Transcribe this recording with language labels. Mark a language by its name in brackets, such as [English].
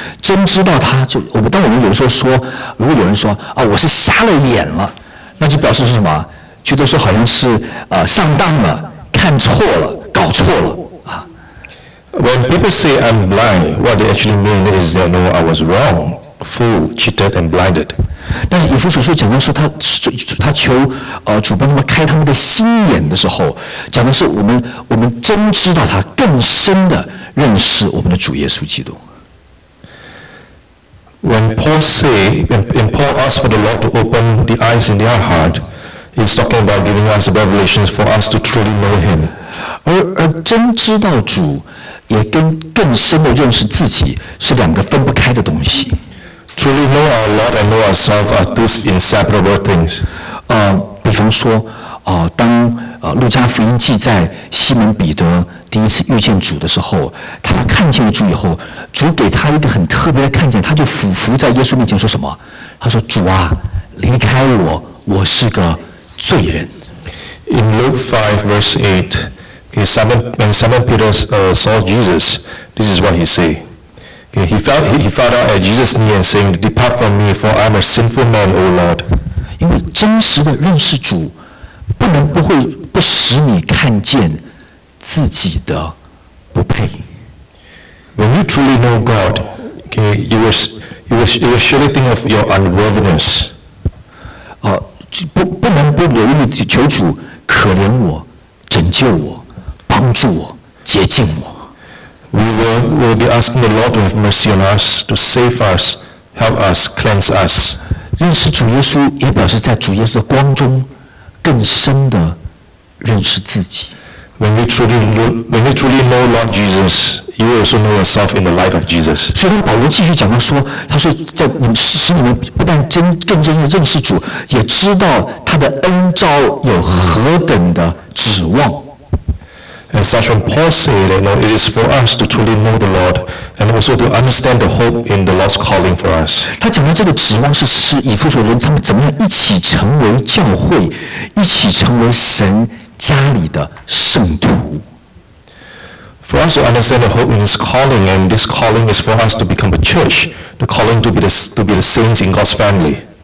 [Chinese] 真知道他，就我们当我们有时候说，如果有人说我是瞎了眼了，那就表示是什么？觉得说好像是上当了，看错了，搞错了啊。 [English] When people say I'm blind, what they actually mean is they know I was wrong. Fool, cheated, and blinded. [Chinese] 但是以弗所书讲的是他求主帮他们开他们的心眼的时候，讲的是我们真知道他，更深的认识我们的主耶稣基督。 [English] When Paul asked for the Lord to open the eyes in their heart, he's talking about giving us revelations for us to truly know Him. [Chinese] 而真知道主，也跟更深的认识自己是两个分不开的东西。 [English] Truly know our Lord and know ourselves are two inseparable things. [Chinese] 比方说，当路加福音记载西门彼得第一次遇见主的时候，他看见了主以后，主给他一个很特别的看见，他就伏在耶稣面前说什么？他说：“主啊，离开我，我是个罪人。” [English] In Luke 5 verse 8, okay, when Simon Peter saw Jesus, this is what he said. Okay, he fell down at Jesus' knee and saying, "Depart from me, for I am a sinful man, O Lord." [Chinese] 因为真实的认识主，不能不会不使你看见自己的不配。 [English] When you truly know God, okay, you will surely think of your unworthiness. [Chinese] 不能不留意求主可怜我、拯救我、帮助我、洁净我。 [English] We will be asking the Lord to have mercy on us, to save us, help us, cleanse us. [Chinese] 认识主耶稣，也表示在主耶稣的光中更深的认识自己。 [English] When we truly know Lord Jesus, you also know yourself in the light of Jesus. [Chinese] 所以保罗继续讲到说，他说在你们使你们不但更真的认识主，也知道他的恩召有何等的指望。 [English] And such when Paul said that, you know, it is for us to truly know the Lord, and also to understand the hope in the Lord's calling for us. [Chinese] 他讲到这个指望是以弗所人他们怎么样一起成为教会，一起成为神家里的圣徒。 [English] For us to understand the hope in His calling, and this calling is for us to become a church, the calling to be the saints in God's family.